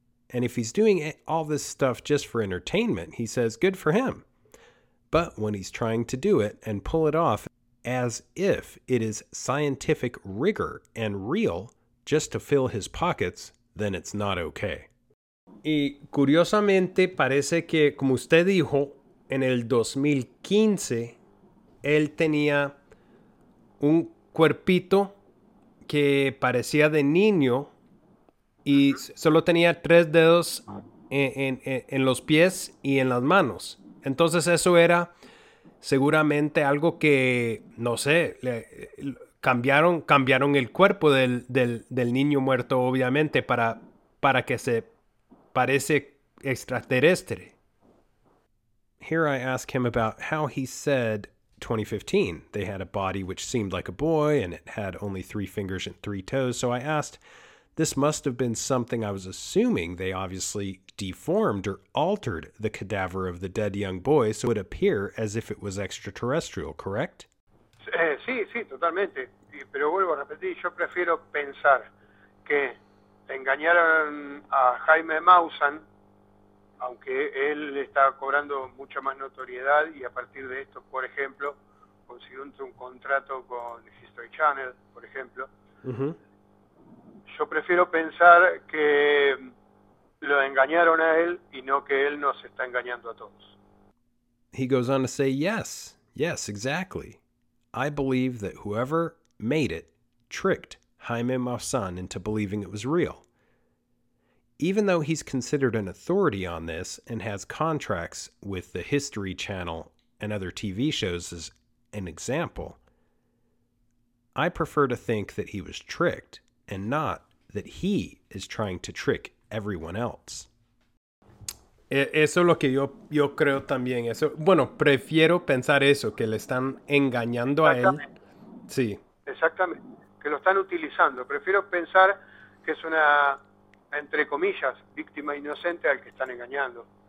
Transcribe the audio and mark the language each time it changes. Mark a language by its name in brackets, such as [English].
[English] And if he's doing all this stuff just for entertainment, he says, good for him. But when he's trying to do it and pull it off as if it is scientific rigor and real just to fill his pockets, then it's not okay. [Spanish] Y curiosamente parece que, como usted dijo, en el 2015, él tenía un cuerpito que parecía de niño y solo tenía tres dedos en los pies y en las manos. Entonces eso era seguramente algo que, no sé, cambiaron el cuerpo del niño muerto, obviamente, para que se parece extraterrestre. [English] Here I ask him about how he said 2015 they had a body which seemed like a boy and it had only three fingers and three toes. So I asked This must have been something I was assuming. They obviously deformed or altered the cadaver of the dead young boy so it would appear as if it was extraterrestrial, correct? [Spanish] Sí, sí, totalmente. Pero vuelvo a repetir, yo prefiero pensar que engañaron a Jaime Maussan, aunque él está cobrando mucha más notoriedad y a partir de esto, por ejemplo, consiguió un contrato con History Channel, por ejemplo. Yo prefiero pensar que lo engañaron a él y no que él nos está engañando a todos. [English] He goes on to say, yes, yes, exactly. I believe that whoever made it tricked Jaime Maussan into believing it was real. Even though he's considered an authority on this and has contracts with the History Channel and other TV shows as an example, I prefer to think that he was tricked and not that he is trying to trick everyone else. [Spanish] Eso es lo que yo creo también. Eso, bueno, prefiero pensar eso, que le están engañando a él. Sí. Exactamente. Que lo están utilizando. Prefiero pensar que es una, entre comillas, víctima inocente al que están engañando.